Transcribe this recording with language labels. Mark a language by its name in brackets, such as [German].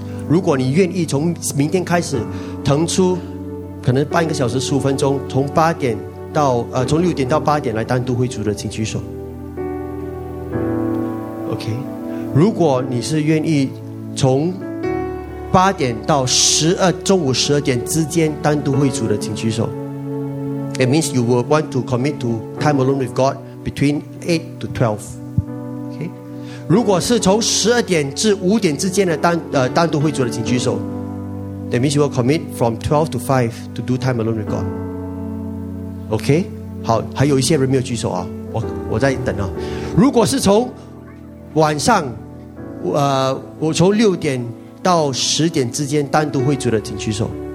[Chinese] 如果你愿意从明天开始腾出可能半个小时15分钟，从6点到8点来单独会主的请举手。 OK， 如果你是愿意从八点到十二中午十二点之间单独会主的，请举手。 [English] It means you will want to commit to time alone with God between 8 to 12. Okay. [Chinese] 如果是从12点至5点之间的单独会主的，请举手。 [English] That means you will commit from 12 to 5 to do time alone with God. Okay. [Chinese] 好，还有一些人没有举手啊，我在等啊。如果是从晚上，我从6点到10点之间单独会主的，请举手。